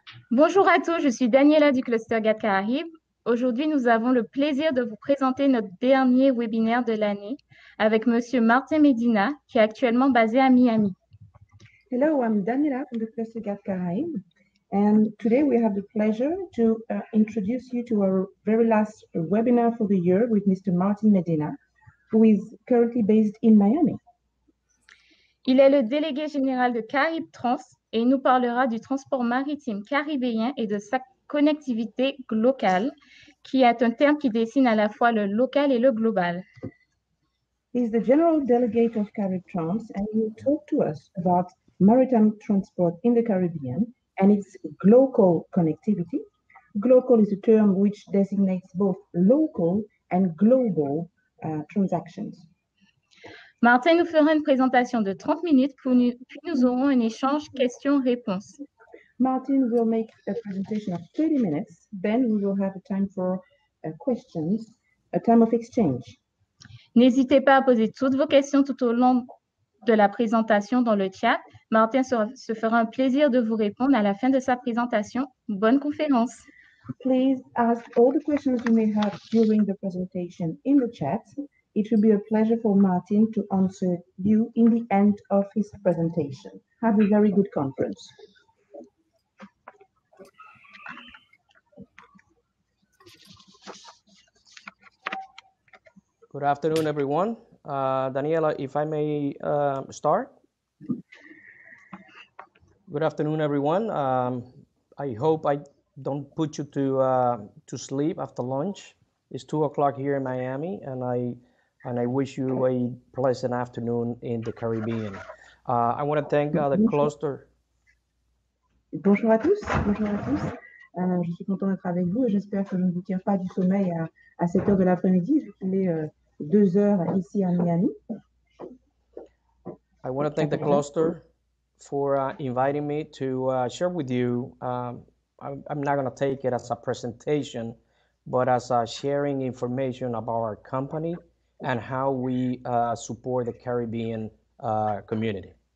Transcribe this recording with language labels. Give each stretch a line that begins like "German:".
French: Bonjour à tous, je suis Daniela du Cluster Gap Caraïbes. Aujourd'hui, nous avons le plaisir de vous présenter notre dernier webinaire de l'année avec Monsieur Martin Medina, qui est actuellement basé à Miami.
English: Hello, I'm Daniela from the Cluster Gap Caraïbes, and today we have the pleasure to introduce you to our very last webinar for the year with Mr. Martin Medina, who is currently based in Miami.
French: Il est le délégué général de Caraïbes Trans et il nous parlera du transport maritime caribéen et de sa connectivité locale, qui est un terme qui dessine à la fois le local et le global.
English: He's the General Delegate of Caraïbes Trans and he will talk to us about maritime transport in the Caribbean and its global connectivity. Global is a term which designates both local and global transactions.
French: Martin nous fera une présentation de 30 minutes, puis nous aurons un échange questions-réponses.
English: Martin will make a presentation of 30 minutes, then we will have a time for questions, a time of exchange.
French: N'hésitez pas à poser toutes vos questions tout au long de la présentation dans le chat. Martin se fera un plaisir de vous répondre à la fin de sa présentation. Bonne conférence.
English: Please ask all the questions you may have during the presentation in the chat. It will be a pleasure for Martin to answer you in the end of his presentation. Have a very good conference. Good afternoon, everyone. Daniela, if I may start. Good afternoon, everyone. I hope I don't put you to sleep after lunch. It's 2 o'clock here in Miami, and I wish you a pleasant afternoon in the Caribbean. I want to thank the cluster.
French: Bonjour à tous. Bonjour à tous. Je suis content d'être avec vous et j'espère que je ne vous tire pas du sommeil à 7 heures de l'après-midi, vu qu'il est 2 heures ici à Miami.
English: I want to thank the cluster for inviting me to share with you. I'm not going to take it as a presentation, but as sharing information about our company and how we support the Caribbean community.